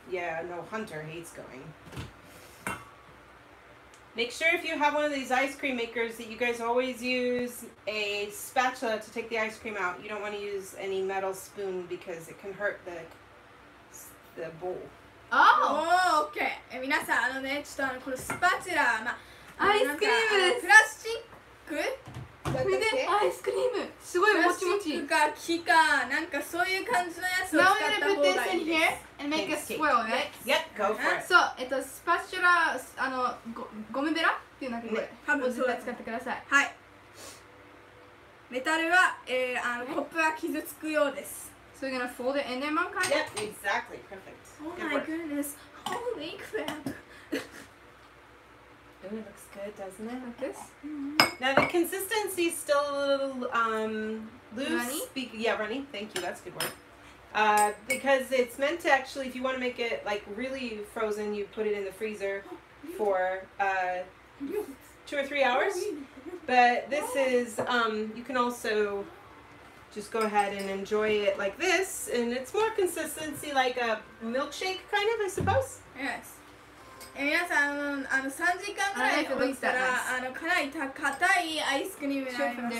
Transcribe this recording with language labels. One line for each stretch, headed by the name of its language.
English: Yeah, no, Hunter hates going. Make sure if you have one of these ice cream makers that you guys always use a spatula to take the ice cream out. You don't want to use any metal spoon because it can hurt the bowl. Oh! Oh, okay.
Japanese: And 皆さん、あのね、ちょっとあの、このスパチュラ、まあ、アイスクリームです。プラスチック? これでアイスクリーム。すごいもちもち。プラスチックか木か、なんかそういう感じのやつを使った方がいいです。
English: Now I'm gonna put this in here. And make a swirl, right? Yep, go for it.
Japanese: So, スパチュラ、あの、ゴムベラっていうなんかこれ、多分絶対使ってください。はい。メタルは、あの、コップは傷つくようです。
English: So we're gonna fold it in there, mom, kind of? Yep, exactly. Perfect. Oh my goodness. Holy crap. Ooh, it looks good, doesn't it? Like this? Now, the consistency is still a little, loose. Runny? Yeah, runny. Thank you, that's a good word. Because it's meant to actually, if you want to make it like really frozen, you put it in the freezer for 2 or 3 hours. But this is, you can also just go ahead and enjoy it like this. And it's more consistency like a milkshake kind of, I suppose. Yes.
Japanese: And 皆さん、あの3時間くらい置いたら、あのかなり硬いアイスクリームになります。